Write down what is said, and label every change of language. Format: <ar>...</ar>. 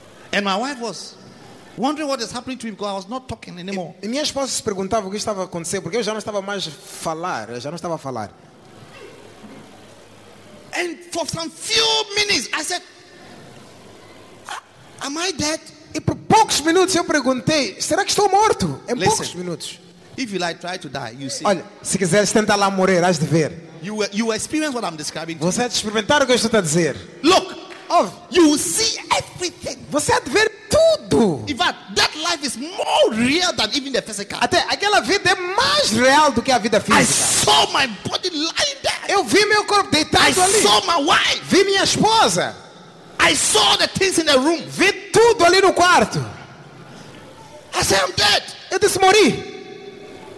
<en>And my wife was wondering what is happening to me because I was not talking anymore.</en> <pt>E minha esposa se perguntava o que estava acontecendo porque eu já não estava mais a falar.</pt> <en>And for some few minutes, I said, "Am I dead?"</en> <pt>E por poucos minutos eu perguntei, "Será que estou morto?" Em poucos minutos.</pt> <en>If you like try to die, you see.</en> <pt>Olha, se quiseres tentar lá morrer, has de ver.</pt> <en>You experience what I'm describing.</en> <pt>Você vai experimentar o que eu estou a dizer.</pt> <en>Look, oh, you will see everything.</en> <pt>Você vai ver tudo.</pt> <en>In fact, that life is more real than even the physical.</en> <pt>Até aquela vida é mais real do que a vida física.</pt> <en>I saw my body lying there.</en> <pt>Eu vi meu corpo deitado ali.</pt> <en>I saw my wife.</en> <pt>Vi minha esposa.</pt> <en>I saw the things in the room.</en> <pt>Vi tudo ali no quarto.</pt> <en>I said, I'm dead.</en> <pt>Eu disse, morri.</pt>